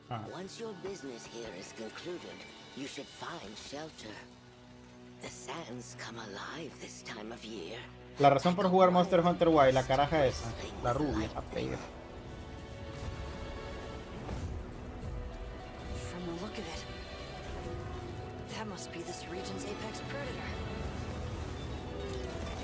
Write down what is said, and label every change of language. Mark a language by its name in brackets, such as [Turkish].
[English] Once your business here is concluded, you should find shelter. The sands come alive this time of year. [Spanish] La razón por jugar Monster Hunter Wild, la caraja esa, la rubia, la pega. [English] From the look of it, that must be this region's apex predator.